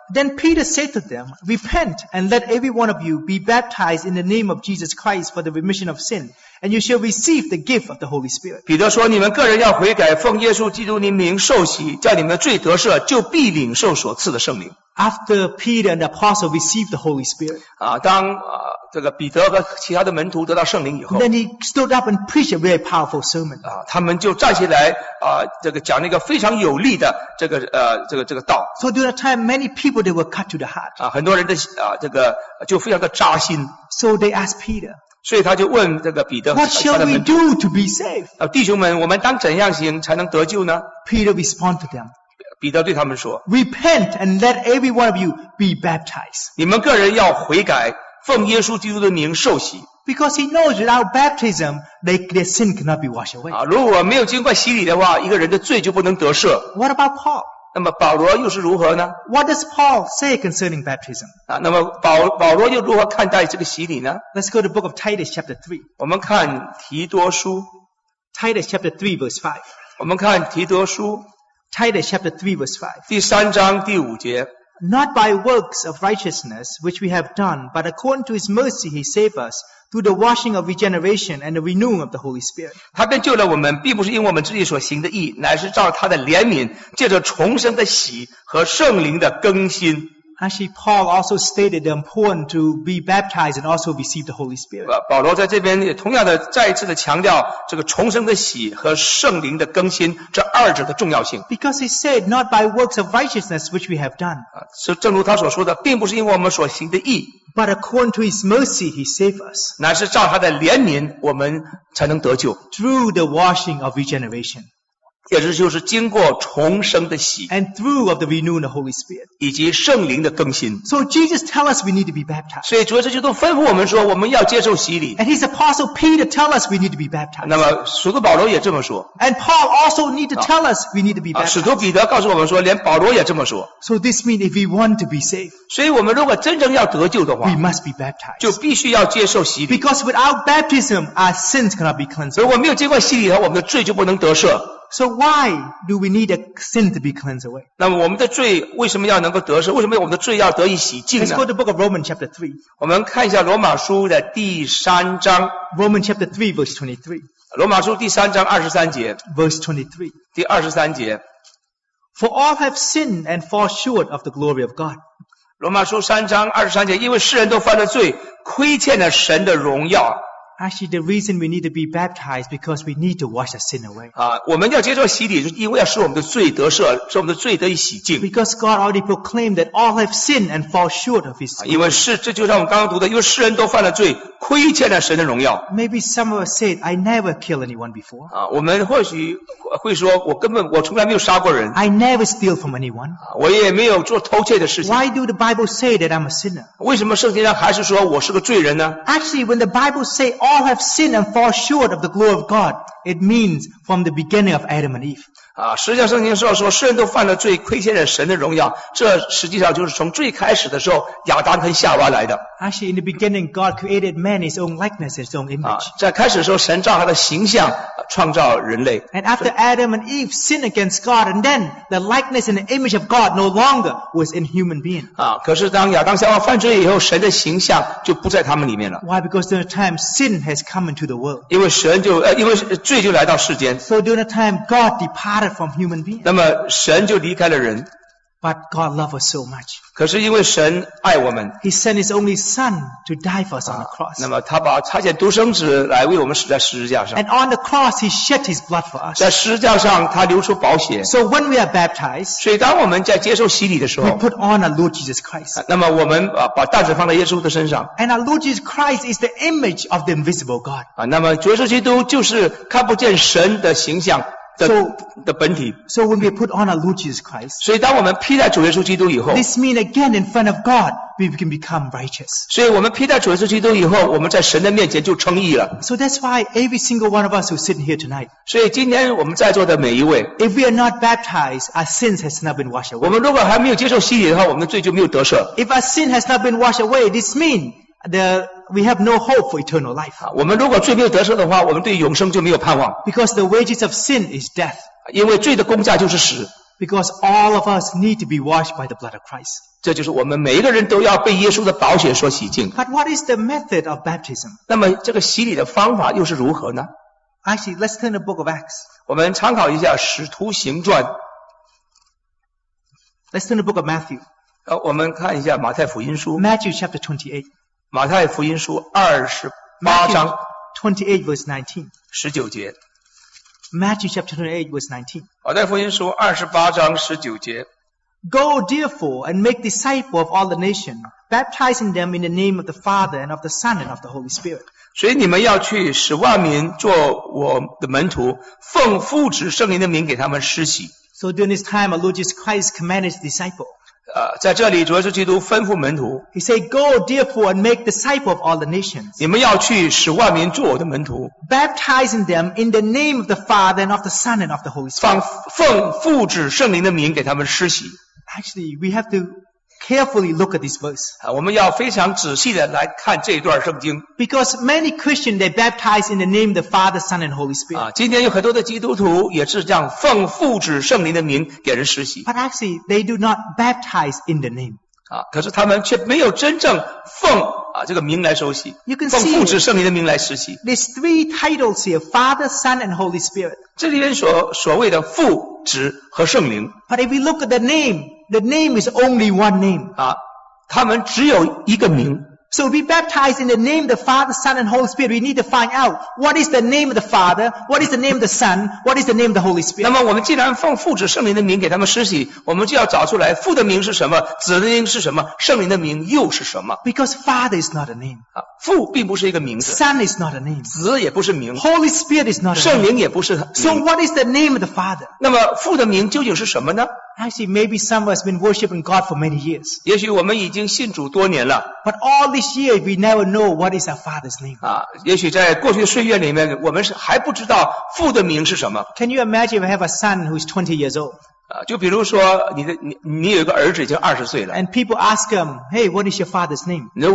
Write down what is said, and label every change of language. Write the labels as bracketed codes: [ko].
[en] Then Peter said to them, Repent and let every one of you be baptized in the name of Jesus Christ for the remission of sin, and you shall receive the gift of the Holy Spirit. [zh] 彼得说你们个人要悔改奉耶稣基督的名受洗叫你们的罪得赦就必领受所赐的圣灵。 [en] After Peter and the apostle received the Holy Spirit, [zh] 啊，当啊这个彼得和其他的门徒得到圣灵以后 [en] ，then he stood up and preached a very powerful sermon. [zh] 啊，他们就站起来啊，这个讲那个非常有力的这个道。 [en] So during that time, many people they were cut to the heart. [zh] 啊，很多人的啊这个就非常的扎心。 [en] So they asked Peter. [zh] 所以他就问这个彼得 [en] ，What shall we do to be saved? [zh] 啊，弟兄们，我们当怎样行才能得救呢 [en] ？Peter responded to them. [zh] 彼得对他们说 [en] Repent and let every one of you be baptized. [zh] 你们个人要悔改奉耶稣基督的名受洗。 [en] Because he knows without baptism, their sin cannot be washed away. [zh] 啊，如果没有经过洗礼的话，一个人的罪就不能得赦。 [en] What about Paul? [zh] 那么保罗又是如何呢 [en] ?What does Paul say concerning baptism? [zh] 啊，那么保罗又如何看待这个洗礼呢 [en] ?Let's go to the book of Titus chapter 3. [zh] 我们看提多书。 [en] Titus chapter 3 verse 5. [zh] 我们看提多书。 [en] Titus chapter 3 verse 5. [zh] 第三章第五节。 [en] Not by works of righteousness which we have done, but according to his mercy he saved us through the washing of regeneration and the renewing of the Holy Spirit. [zh] 他便救了我们，并不是因为我们自己所行的义，乃是照他的怜悯，借着重生的喜和圣灵的更新。 [en] Actually, Paul also stated the importance to be baptized and also receive the Holy Spirit. [zh] 保罗在这边也同样的再一次的强调这个重生的喜和圣灵的更新这二者的重要性。 [en] Because he said, not by works of righteousness which we have done. [zh] 正如他所说的，并不是因为我们所行的义。 [en] But according to his mercy, he saved us. [zh] 乃是照他的怜悯，我们才能得救。 [en] Through the washing of regeneration. [zh] 也就是经过重生的洗 [en] and through of the renewing the Holy Spirit [zh] 以及圣灵的更新 [en] so Jesus tells us we need to be baptized [zh] 所以主耶稣基督吩咐我们说我们要接受洗礼 [en] and his apostle Peter tells us we need to be baptized [zh] 那么使徒保罗也这么说 [en] and Paul also need to tell us we need to be baptized [zh] 使徒彼得告诉我们说连保罗也这么说 [en] so this means if we want to be saved [zh] 所以我们如果真正要得救的话 [en] we must be baptized [zh] 就必须要接受洗礼 [en] because without baptism our sins cannot be cleansed [zh] 如果没有经过洗礼的话我们的罪就不能得赦 [en] So why do we need a sin to be cleansed away? [zh] 那么我们的罪为什么要能够得赦？为什么我们的罪要得以洗净呢 [en] ？Let's go to the book of Romans chapter 3. [zh] 我们看一下罗马书的第三章。 [en] Romans chapter 3 verse 23. [zh] 罗马书第三章二十三节。 [en] Verse 23. [zh] 第二十三节。 [en] For all have sinned and fall short of the glory of God. [zh] 罗马书三章二十三节，因为世人都犯了罪，亏欠了神的荣耀。 [en] Actually, the reason we need to be baptized is because we need to wash our sin away. [zh] 我们要接受洗礼，就是因为要使我们的罪得赦，使我们的罪得以洗净。 [en] Because God already proclaimed that all have sinned and fall short of His. [zh] 因为是，这就像我们刚刚读的，因为世人都犯了罪，亏欠了神的荣耀。 [en] Maybe some of us said, "I never killed anyone before." [zh] 我们或许会说，我从来没有杀过人。 [en] I never steal from anyone. [zh] 我也没有做偷窃的事情。 [en] Why do the Bible say that I'm a sinner? [zh] 为什么圣经上还是说我是个罪人呢 [en] ？Actually, when the Bible say all have sinned and fall short of the glory of God, it means from the beginning of Adam and Eve. [zh] 实际上圣经说世人都犯了罪，亏欠了神的荣耀，这实际上就是从最开始的时候亚当跟夏娃来的。 [en] Actually, in the beginning, God created man in His own likeness, His own image. [zh] 在开始的时候，神照他的形象创造人类。 [en] And after Adam and Eve sinned against God, and then the likeness and the image of God no longer was in human being. [zh] 可是当亚当夏娃犯罪以后，神的形象就不在他们里面了。 [en] Why? Because during the time sin has come into the world. [zh] 因为神就因为罪就来到世间。 [en] So during the time God departed from human being. [zh] 那么神就离开了人。 [en] But God loved us so much. [zh] 可是因为神爱我们。 [en] He sent His only Son to die for us on the cross. [zh] 那么他把差遣独生子来为我们死在十字架上。 [en] And on the cross, He shed His blood for us. [zh] 在十字架上他流出宝血。 [en] So when we are baptized, [zh] 所以当我们在接受洗礼的时候 [en] we put on our Lord Jesus Christ. [zh] 那么我们把担子放在耶稣的身上。 [en] And our Lord Jesus Christ is the image of the invisible God. [zh] 那么主耶稣基督就是看不见神的形象。的本体。 [en] So when we put on our Lord Jesus Christ, [zh] 所以当我们披戴主耶稣基督以后 [en] this means again in front of God, we can become righteous. [zh] 所以我们披戴主耶稣基督以后我们在神的面前就称义了。 [en] So that's why every single one of us who sit here tonight, [zh] 所以今天我们在座的每一位 [en] if we are not baptized, our sins has not been washed away. [zh] 我们如果还没有接受洗礼的话我们的罪就没有得赦。 [en] If our sin has not been washed away, this means we have no hope for eternal life. [zh] 我们如果罪没有得赦的话，我们对永生就没有盼望。 [en] Because the wages of sin is death. [zh] 因为罪的工价就是死。 [en] Because all of us need to be washed by the blood of Christ. [zh] 这就是我们每一个人都要被耶稣的宝血所洗净。 [en] But what is the method of baptism? [zh] 那么这个洗礼的方法又是如何呢 [en] ？Actually, let's turn the book of Acts. [zh] 我们参考一下《使徒行传》。 [en] Let's turn the book of Matthew. [zh] 我们看一下《马太福音书》。 [en] Matthew chapter 28. [zh] 马太福音书二十八章 [en] 28 verse 19 [zh] 十九节 [en] Matthew chapter 28 verse 19 [zh] 马太福音书二十八章十九节 [en] Go therefore and make disciple of all the nation baptizing them in the name of the Father and of the Son and of the Holy Spirit [zh] 所以你们要去使万民做我的门徒奉父子圣灵的名给他们施洗 [en] So during this time our Lord Jesus Christ commanded his disciples [zh] 在这里主耶稣基督吩咐门徒 [en] He said go therefore and make disciples of all the nations [zh] 你们要去使万民做我的门徒 [en] baptizing them in the name of the Father and of the Son and of the Holy Spirit [zh] 奉父子圣灵的名给他们施洗 [en] Actually we have to carefully look at this verse. [zh] 我们要非常仔细的来看这一段圣经。 [en] Because many Christians they baptize in the name of the Father, Son, and Holy Spirit. [zh] 今天有很多的基督徒也是这样奉父子圣灵的名给人施洗。 [en] But actually, they do not baptize in the name. [zh] 可是他们却没有真正奉这个名来受洗。 [en] You can [zh] 奉父子圣灵的名来施洗。 [en] There's three titles here: Father, Son, and Holy Spirit. [zh] 这里面所谓的父子和圣灵。 [en] But if we look at the name. The name is only one name. [zh] 他们只有一个名。 [en] So we baptize in the name of the Father, Son, and Holy Spirit. We need to find out what is the name of the Father, what is the name of the Son, what is the name of the Holy Spirit. [zh] 那么我们既然奉父子圣灵的名给他们施洗，我们就要找出来父的名是什么，子的名是什么，圣灵的名又是什么。 [en] Because Father is not a name. [zh] 父并不是一个名字。 [en] Son is not a name. [zh] 子也不是名。 [en] Holy Spirit is not a name. [zh] 圣灵也不是名。 [en] So what is the name of the Father? [zh] 那么父的名究竟是什么呢？ [en] Actually, maybe some of us have been worshiping God for many years. [zh] 也许我们已经信主多年了。 [en] But all this year, we never know what is our Father's name. [zh] 也许在过去的岁月里面，我们还不知道父的名是什么。 [en] Can you imagine if I have a son who is 20 years old? [zh] 就比如说你有一个儿子已经20岁了。 [en] And people ask him, hey, what is your father's name?